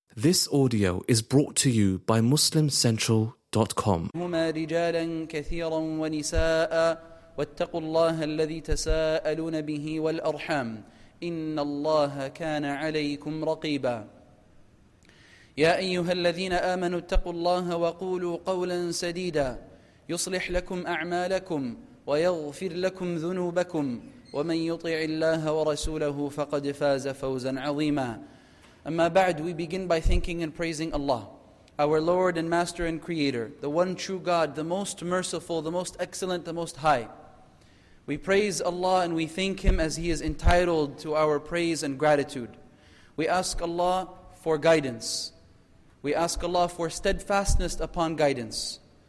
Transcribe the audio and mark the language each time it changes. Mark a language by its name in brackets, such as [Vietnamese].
[English] This audio is brought to you by MuslimCentral.com. [Arabic] هما رجالا كثيرا ونساء واتقوا الله الذي تساءلون به والأرحام إن الله كان عليكم رقيبا يا أيها الذين آمنوا اتقوا الله وقولوا قولا سديدا يصلح لكم أعمالكم ويغفر لكم ذنوبكم ومن يطع الله ورسوله فقد فاز فوزا عظيما. [English] Amma ba'd, we begin by thanking and praising Allah, our Lord and Master and Creator, the one true God, the most merciful, the most excellent, the most high. We praise Allah and we thank Him as He is entitled to our praise and gratitude. We ask Allah for guidance. We ask Allah for steadfastness upon guidance.